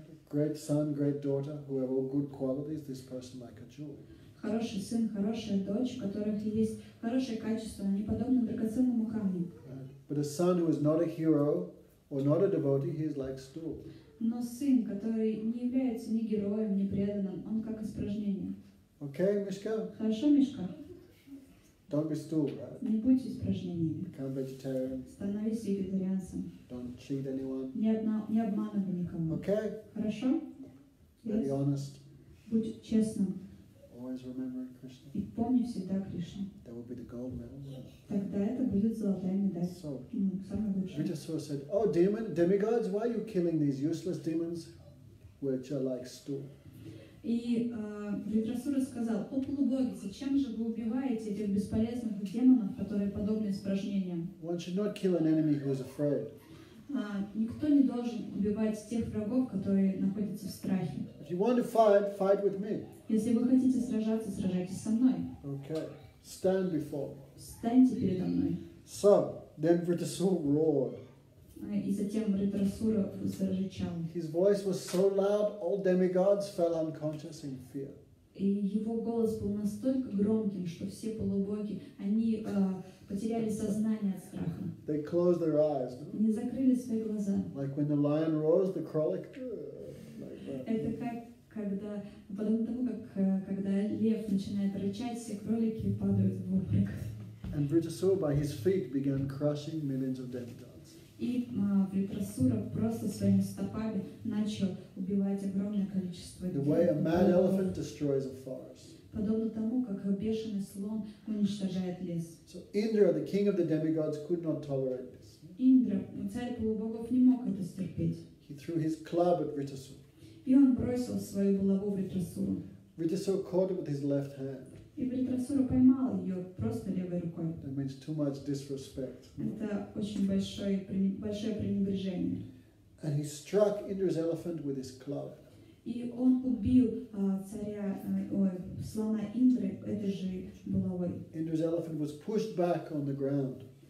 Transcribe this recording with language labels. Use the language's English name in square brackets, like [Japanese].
[English] Great son, great daughter, who have all good qualities, this person like a jewel. [Russian] Хороший сын, хорошая дочь, у которых есть хорошие качества, они подобны драгоценному камню. [English] But a son who is not a hero or not a devotee, he is like stool. [Russian] Но сын, который не является ни героем, ни преданным, он как испражнение. [English] Okay, Мишка. [Russian] Хорошо, Мишка. [English] Don't be stool, right? [Russian] Не будь испражнением. [English] Become vegetarian. [Russian] Становись вегетарианцем. [English] Don't cheat anyone. [Russian] Не обманывай никого. [English] Okay. [Russian] Хорошо. [English] Yes. Be honest. [Russian] Будь честным. [English] Always remembering Krishna. [Russian] И помни всегда Кришну. [English] That will be the gold medal. [Russian] Тогда это будет золотая медаль. [English] So, [Russian] самое лучшее. [English] Vritasura said, "Oh, demigods, why are you killing these useless demons, which are like stool?" [Russian] И Vritasura сказал, "О полубоги, зачем же вы убиваете этих бесполезных демонов, которые подобны испражнениям?" [English] One should not kill an enemy who is afraid. [Russian] Никто не должен убивать тех врагов, которые находятся в страхе. [English] If you want to fight, fight with me. [Russian] Если вы хотите сражаться, сражайтесь со мной. [English] Okay. Stand before. [Russian] Встаньте передо мной. [English] So, then Vritasura roared. [Russian] И затем Вритасура зарычал. [English] His voice was so loud, all demigods fell unconscious in fear. [Russian] И его голос был настолько громким, что все полубоги, они потеряли сознание от страха. [English] They closed their eyes. [Russian] Они закрыли свои глаза. [English] Like when the lion roars, the [Russian] кролик. [English] Like [Russian] это как когда, потом того, когда лев начинает рычать, все кролики падают в обморок. [English] And Vritasura by his feet began crushing millions of demigods. [Russian] И Вритасура просто своими стопами начал убивать огромное количество [English] The way a mad [Russian] богов. [English] Elephant destroys a forest. [Russian] Подобно тому, как бешеный слон уничтожает лес. [English] So Indra, the king of the demigods, could not tolerate this. [Russian] Индра, царь полубогов, не мог это стерпеть. [English] He threw his club at Vritasura. [Russian] И он бросил свою булаву Вритасуру. [English] Vritasura caught it with his left hand. [Russian] И Вритасура поймал ее просто левой рукой. [English] That means too much disrespect. [Russian] Это очень большое пренебрежение. [English] And he struck Indra's elephant with his club. [Russian] И он убил царя, слона Индры этой же булавой. [English] Indra's elephant was pushed back on the ground.